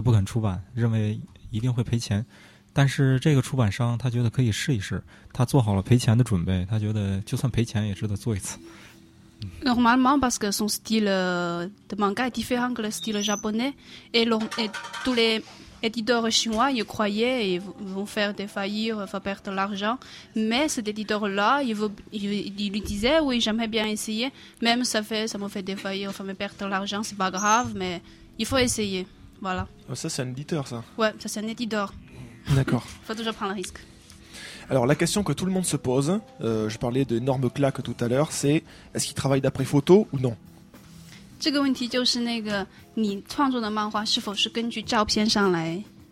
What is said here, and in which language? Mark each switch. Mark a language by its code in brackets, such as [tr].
[fr] Parce que mon [zh] 漫画跟其他漫画的风格不同，然后你是怎么进入漫画这个模式的呢？因为我的漫画主要是跟日本漫画不太一样，然后当时中国的那些主要的出版漫画的人就不肯出版，认为一定会赔钱。但是这个出版商他觉得可以试一试，他做好了赔钱的准备，他觉得就算赔钱也值得做一次。 [fr] Normalement parce que son style de manga est différent que le style japonais et tous les éditeurs chinois ils croyaient et vont faire des faillites, vont perdre l'argent. Mais cet éditeur là, il disait oui j'aimerais bien essayer, même ça me fait des faillites, enfin me perdre l'argent, c'est pas grave, mais il faut essayer, voilà. Ça c'est un éditeur ça. Ouais, ça c'est un éditeur. D'accord. Faut toujours prendre le risque. Alors la question que tout le monde se pose, je parlais d'énormes claques tout à l'heure, c'est est-ce qu'il travaille d'après photo ou non ? [zh] 这个问题就是那个你创作的漫画是否是根据照片上来？